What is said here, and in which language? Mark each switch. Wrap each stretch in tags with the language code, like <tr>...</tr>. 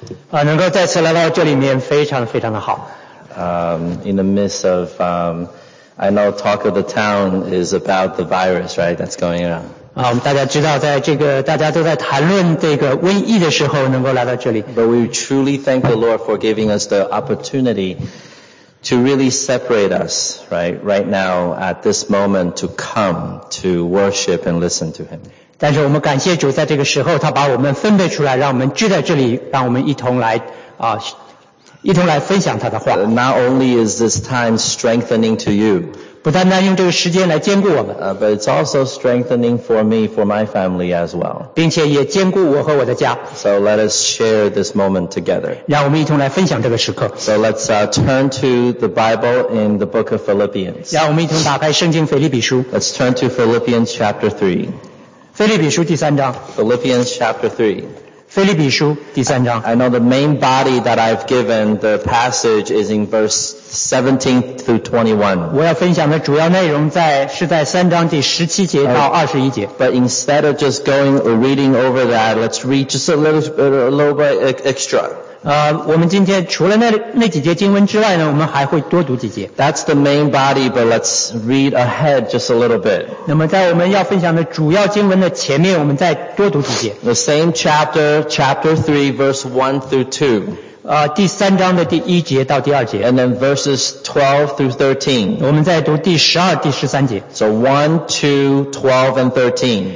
<zh>能够再次来到这里面非常非常的好。</zh> <en>In the midst of, I know talk of the town is about the virus, right, that's going on.</en> <zh>大家知道在这个大家都在谈论这个瘟疫的时候能够来到这里。</zh> <en>But we truly thank the Lord for giving us the opportunity to really separate us, right, right now at this moment to come to worship and listen to him.</en> <zh>但是我们感谢主在这个时候他把我们分别出来让我们聚在这里让我们一同来一同来分享他的话。</zh> <en>Not only is this time strengthening to you,</en> <zh>不单单用这个时间来坚固我们,</zh> <en>but it's also strengthening for me, for my family as well.</en> <zh>并且也坚固我和我的家。</zh> <en>So let us share this moment together.</en> <zh>让我们一同来分享这个时刻。</zh> <en>So let's turn to the Bible in the book of Philippians.</en> <zh>让我们一同打开圣经腓立比书。</zh> <en>Let's turn to Philippians chapter 3.</en> <zh>腓立比书第三章。</zh> <en>Philippians chapter 3.</en> <zh>腓立比书第三章。</zh> <en>I know the main body that I've given the passage is in verse 17 through 21.</en> <zh>我要分享的主要内容在是在三章第十七节到二十一节。</zh> <en>But instead of just going or reading over that, let's read just a little bit extra.</en> <zh>我们今天除了那几节经文之外呢，我们还会多读几节。</zh> <en>That's the main body, but let's read ahead just a little bit.</en> <zh>那么在我们要分享的主要经文的前面，我们再多读几节。</zh> <en>The same chapter, chapter 3, verse 1 through 2.</en> <zh>第三章的第一节到第二节。</zh> <en>And then verses 12 through 13.</en> <zh>我们再读第十二、第十三节。</zh> <en>So 1, 2, 12 and 13.</en>